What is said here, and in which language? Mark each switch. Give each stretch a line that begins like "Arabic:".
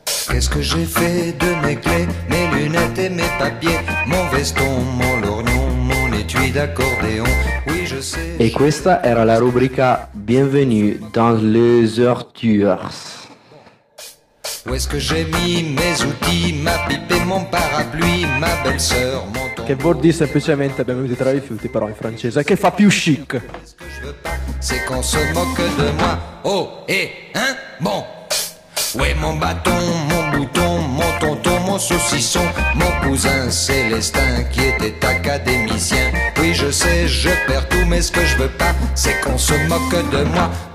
French: Qu'est-ce que j'ai fait de mes clés, mes lunettes et mes papiers, mon veston, mon lorgnon, mon étui d'accordéon.
Italian: E questa era la rubrica Bienvenue dans les heures.
French: Où est-ce que j'ai mis mes outils, ma pipe et mon parapluie, ma belle sœur, mon tombeau.
Italian: Che vuol dire semplicemente benvenuti tra i rifiuti, però in francese, che fa più chic.
French: C'est qu'on se moque de moi. Oh, et hein, bon. Où est mon bâton, mon bouton, mon tonton, mon saucisson, mon cousin Célestin qui était académicien. Oui, je sais, je perds tout, mais ce que je veux pas, c'est qu'on se moque de moi.